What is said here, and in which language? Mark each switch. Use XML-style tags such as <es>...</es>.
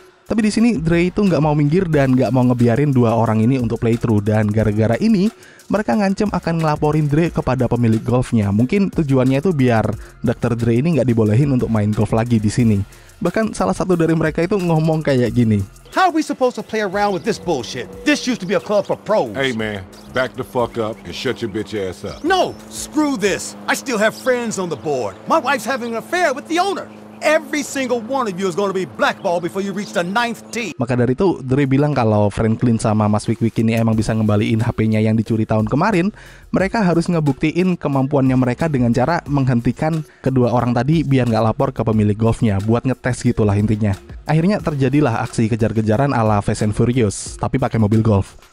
<id>Tapi di sini Dre itu nggak mau minggir dan nggak mau ngebiarin dua orang ini untuk playthrough. Dan gara-gara ini, mereka ngancem akan ngelaporin Dre kepada pemilik golfnya. Mungkin tujuannya itu biar Dr. Dre ini nggak dibolehin untuk main golf lagi di sini. Bahkan salah satu dari mereka itu ngomong kayak gini.</id> <en>How are we supposed to play around with this bullshit? This used to be a club for pros. Hey man, back the fuck up and shut your bitch ass up. No, screw this. I still have friends on the board. My wife's having an affair with the owner. Every single one of you is going to be blackballed before you reach the ninth tee.</en> <id>Maka dari itu, Dre bilang kalau Franklin sama Mas Wick-Wick ini emang bisa ngembaliin HP-nya yang dicuri tahun kemarin, mereka harus ngebuktiin kemampuannya mereka dengan cara menghentikan kedua orang tadi biar nggak lapor ke pemilik golfnya, buat ngetes gitulah intinya. Akhirnya terjadilah aksi kejar-kejaran ala Fast and Furious, tapi pakai mobil golf.</id>